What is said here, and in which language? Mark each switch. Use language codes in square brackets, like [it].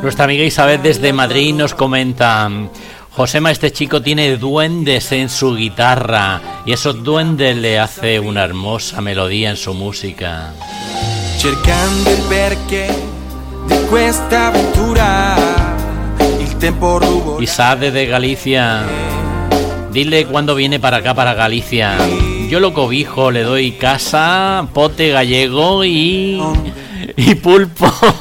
[es] Nuestra amiga Isabel desde Madrid nos comenta: Josema, este chico tiene duendes en su guitarra y esos duendes le hace una hermosa melodía en su música. [it] Cercando il perché di questa avventura, il tempo rubo. [es] Isaac de Galicia, dile cuando viene para acá, para Galicia. Yo lo cobijo, le doy casa, pote gallego y pulpo.